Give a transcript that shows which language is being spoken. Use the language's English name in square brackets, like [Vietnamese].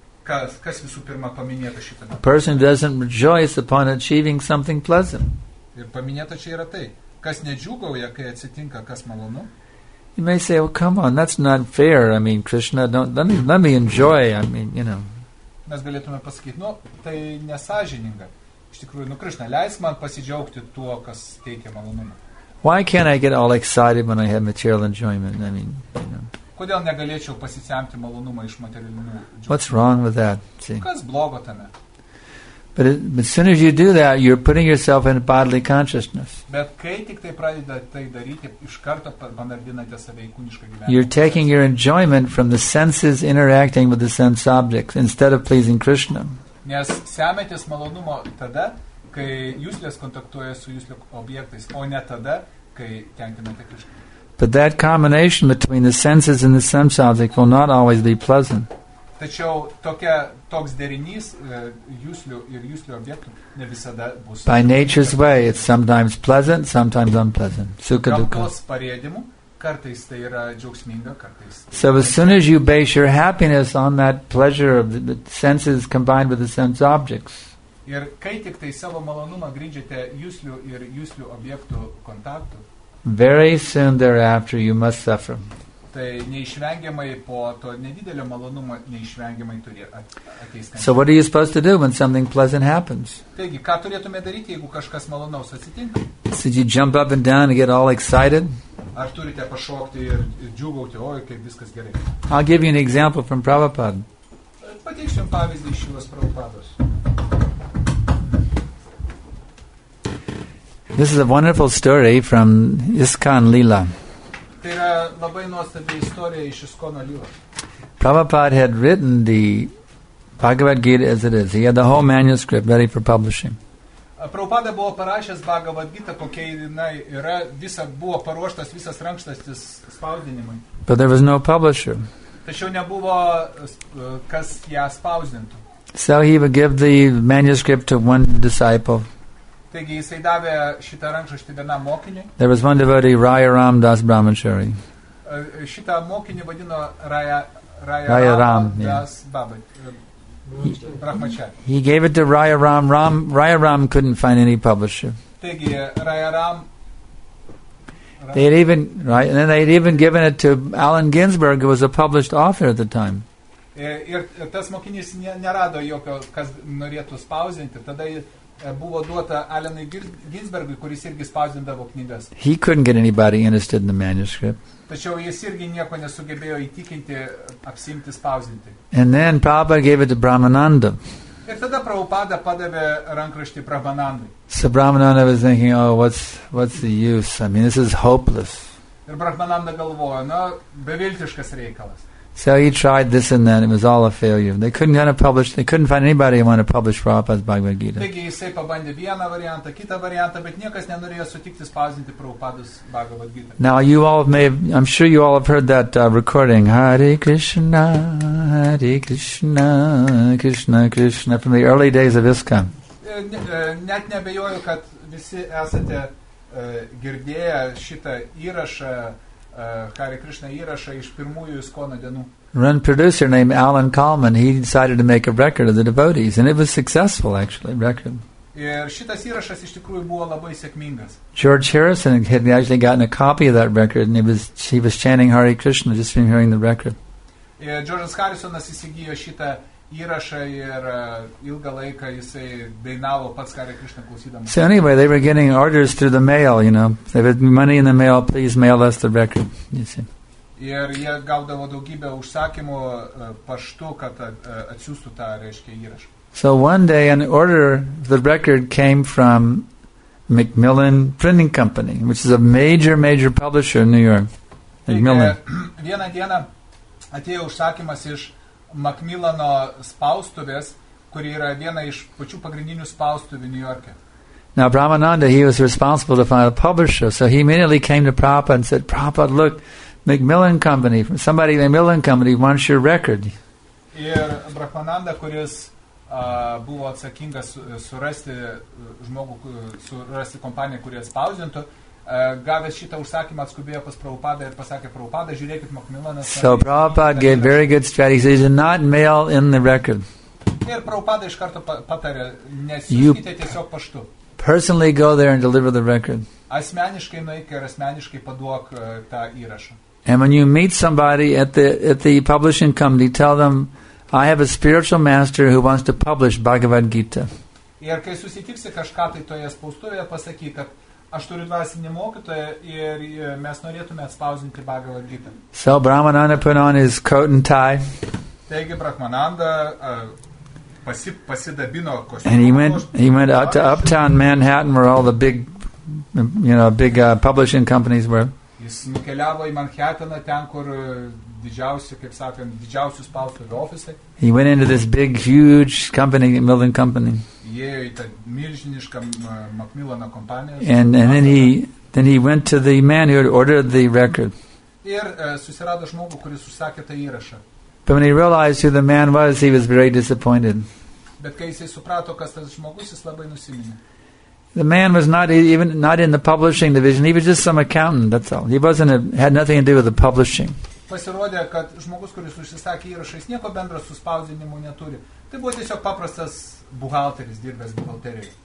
[Lithuanian] Kas visų pirma paminėta šitame. [English] A person doesn't rejoice upon achieving something pleasant. [Lithuanian] Ir paminėta čia yra tai, kas nedžiugauja, kai atsitinka kas malonu. [English] You may say, "Oh, come on, that's not fair. I mean, Krishna, let me enjoy. I mean, you know." [Lithuanian] Mes galėtume pasakyti, tai nesąžininga. Iš tikrųjų, Krishna, leisk man pasidžiaugti tuo, kas teikia malonumą. [English] Why can't I get all excited when I have material enjoyment? I mean, you know. [Lithuanian] Kodėl negalėčiau pasisemti malonumą iš materialinių džiaugsmų? [English] What's wrong with that? See? [Lithuanian] Kas blogo tame? [English] But as soon as you do that, you're putting yourself in bodily consciousness. [Lithuanian] Bet kai tik tai pradeda tai daryti, iš karto panardinate save į kūnišką gyvenimą. [English] You're taking your enjoyment from the senses interacting with the sense objects instead of pleasing Krishna. [Lithuanian] Nes semėtis malonumo tada, kai juslės kontaktuoja su juslių objektais, o ne tada, kai tenkinate Krishna. [English] But that combination between the senses and the sense object will not always be pleasant. [Lithuanian] Tačiau toks derinys juslių ir juslių objektų ne visada bus. [English] By nature's way, it's sometimes pleasant, sometimes unpleasant. [Sanskrit] Sukha dukha. [Lithuanian] Gamtos parėdimu, kartais tai yra džiaugsminga, kartais. [English] So as soon as you base your happiness on that pleasure of the senses combined with the sense objects. [Lithuanian] Ir kai tik tai savo malonumą grindžiate juslių ir juslių objektų kontaktu. [English] Very soon thereafter, you must suffer. [Lithuanian] tai neišvengiamai po to nedidelio malonumo neišvengiamai turi ateis. [English] So what are you supposed to do when something pleasant happens? [Lithuanian] Taigi, ką turėtume daryti, jeigu kažkas malonaus atsitinka? [English] So you jump up and down and get all excited? [Lithuanian] Ar turite pašokti ir džiūgauti, oi, kaip viskas gerai? [English] I'll give you an example from Prabhupada. [Lithuanian] Pateiksiu jums pavyzdį iš Šilos Prabhupados. [English] This is a wonderful story from ISKCON Lila. [Lithuanian] Tai yra labai nuostabi istorija iš ISKCON Lila. [English] Prabhupada had written the Bhagavad Gita as it is. He had the whole manuscript ready for publishing. [Lithuanian] Prabhupada buvo parašęs Bhagavad Gita, kokia jinai yra, visa buvo paruoštas visas rankštastis spausdinimui. [English] But there was no publisher. [Lithuanian] Tačiau nebuvo kas ją spausdintų. [English] So he would give the manuscript to one disciple. [Lithuanian] Taigi jisai davė šitą rankraštį vienam mokiniui. [English] There was one devotee, Raya Ram Das Brahmachari. [Lithuanian] Šitą mokinį vadino Raya Ram Das Brahmachari. [English] He gave it to Raya Ram. Raya Ram couldn't find any publisher. [Lithuanian] Taigi Raya Ram. [English] They'd even given it to Allen Ginsberg, who was a published author at the time. [Lithuanian] Ir tas mokinys nerado jokio, kas norėtų spausdinti. Tada buvo duota Alenui Ginsbergui, kuris irgi spausdindavo knygas. [English] He couldn't get anybody interested in the manuscript. [Lithuanian] Tačiau jis irgi nieko nesugebėjo įtikinti, apsimti spausdinti. [English] And then Prabhupada gave it to Brahmananda. [Lithuanian] Ir tada Prabhupada padavė rankraštį Brahmanandui. [English] So Brahmananda was thinking, oh, what's the use? I mean, this is hopeless. [Lithuanian] Ir Brahmananda galvojo, na, beviltiškas reikalas. [English] So he tried this and that, it was all a failure. They couldn't find anybody who wanted to publish Prabhupada's Bhagavad Gita. [Lithuanian] Taigi jisai pabandė vieną variantą, kitą variantą, bet niekas nenorėjo sutikti spausdinti Prabhupada's Bhagavad Gita. [English] Now you all I'm sure you all have heard that recording, Hare Krishna, Krishna Krishna, from the early days of ISKCON. [Lithuanian] Net nebejoju, kad visi esate girdėję šitą įrašą, Hare Krishna įrašą iš pirmųjų ISKCON dienų. [English] Run producer named Alan Kalman, he decided to make a record of the devotees, and it was successful, actually, record. [Lithuanian] Ir šitas įrašas iš tikrųjų buvo labai sėkmingas. [English] George Harrison had actually gotten a copy of that record, and he was chanting Hare Krishna just from hearing the record. [Lithuanian] Ir George Harrisonas įsigijo šitą įrašą ir ilgą laiką jisai dainavo pats Hare Krishna klausydamas. [English] So anyway, they were getting orders through the mail, you know. They had money in the mail, please mail us the record, you see. [Lithuanian] Ir jie gaudavo daugybę užsakymų paštu, kad atsiųstų tą, reiškia, įrašą. [English] So one day an order, the record came from Macmillan Printing Company, which is a major, major publisher in New York. Macmillan. [Lithuanian] Vieną dieną atėjo užsakymas iš Macmillano spaustuvės, kuri yra viena iš pačių pagrindinių spaustuvių New York'e. [English] Now Brahmananda, he was responsible to find a publisher, so he immediately came to Prabhupada and said, Prabhupada, look, Macmillan Company, somebody in Macmillan Company wants your record. [Lithuanian] Ir Brahmananda, kuris buvo atsakingas surasti žmogų, surasti kompaniją, kurie spausdintų, gavęs šitą užsakymą atskubėjo pas Prabhupada ir pasakė, Prabhupada, žiūrėkit Macmillan. [English] So Prabhupada gave very good strategy. He did not mail in the record. [Lithuanian] Ir Prabhupada iš karto patarė, nesiuskite tiesiog paštu. [English] Personally go there and deliver the record. [Lithuanian] Asmeniškai nuėk ir asmeniškai paduok tą įrašą. [English] And when you meet somebody at the publishing company, tell them, I have a spiritual master who wants to publish Bhagavad Gita. [Lithuanian] Ir kai susitiksi kažką, tai toje spaustuvėje pasakyk, kad aš turiu dvasinį mokytoją ir mes norėtume atspausdinti Bhagavad Gita. [English] So Brahmananda put on his coat and tie. [Lithuanian] Taigi Brahmananda pasidabino kostiumą. [English] And he went out to uptown Manhattan where all the big, you know, big publishing companies were. [Lithuanian] Jis nukeliavo į Manhattaną, ten, kur didžiausi, kaip sakant, didžiausių spaustuvių ofisai. [English] He went into this big, huge company, Macmillan Company. [Lithuanian] Įėjo į tą milžinišką Macmillano kompaniją. [English] And then he went to the man who had ordered the record. [Lithuanian] Ir susirado žmogų, kuris užsakė tą įrašą. [English] But when he realized who the man was, he was very disappointed. [Lithuanian] Bet kai jis suprato, kas tas žmogus, jis labai nusiminė. [English] The man was not in the publishing division. He was just some accountant, that's all. He had nothing to do with the publishing. [Lithuanian] Pasirodė, kad žmogus, kuris užsisakė įrašą, nieko bendro su spausdinimu neturi. Tai buvo tiesiog paprastas buhalteris, dirbęs buhalterijoje.